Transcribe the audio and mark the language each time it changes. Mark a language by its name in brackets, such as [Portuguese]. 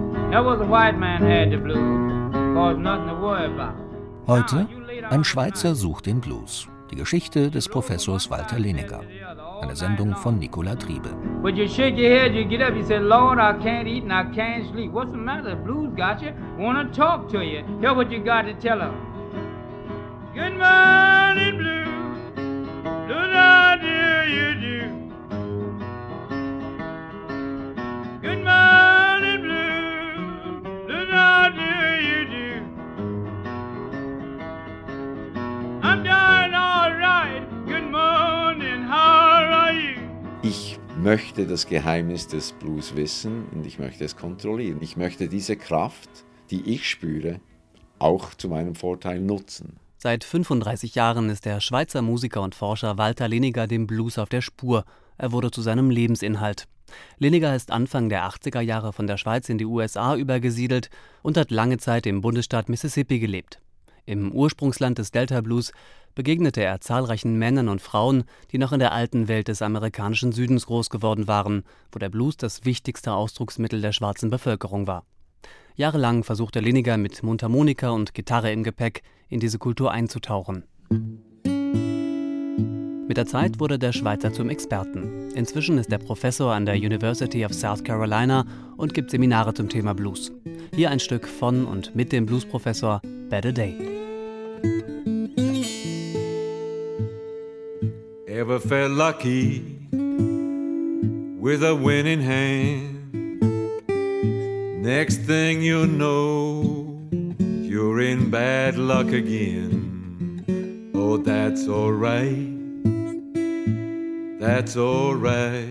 [English] Never the white man had the blues, cause nothing to worry about. [German] Heute, ein Schweizer sucht den Blues. Die Geschichte des Professors Walter Lehniger. Eine Sendung von Nicola Triebe. [English] But you shake your head, you get up, you say, Lord, I can't eat and I can't sleep. What's the matter? The blues got you. Wanna talk to you. Hear what you got to tell them. Good morning, blues. Good night, dear, you do. Good morning, blues. Good night, dear, you do. I'm dying all right. Good morning, how are you? [German] Ich möchte das Geheimnis des Blues wissen und ich möchte es kontrollieren. Ich möchte diese Kraft, die ich spüre, auch zu meinem Vorteil nutzen. Seit 35 Jahren ist der Schweizer Musiker und Forscher Walter Lehniger dem Blues auf der Spur. Er wurde zu seinem Lebensinhalt. Lehniger ist Anfang der 80er Jahre von der Schweiz in die USA übergesiedelt und hat lange Zeit im Bundesstaat Mississippi gelebt. Im Ursprungsland des Delta Blues begegnete er zahlreichen Männern und Frauen, die noch in der alten Welt des amerikanischen Südens groß geworden waren, wo der Blues das wichtigste Ausdrucksmittel der schwarzen Bevölkerung war. Jahrelang versuchte Lehniger mit Mundharmonika und Gitarre im Gepäck in diese Kultur einzutauchen. Mit der Zeit wurde der Schweizer zum Experten. Inzwischen ist er Professor an der University of South Carolina und gibt Seminare zum Thema Blues. Hier ein Stück von und mit dem Bluesprofessor Better Day. [English] Ever felt lucky with a winning hand? Next thing you know, you're in bad luck again. Oh, that's all right. That's all right.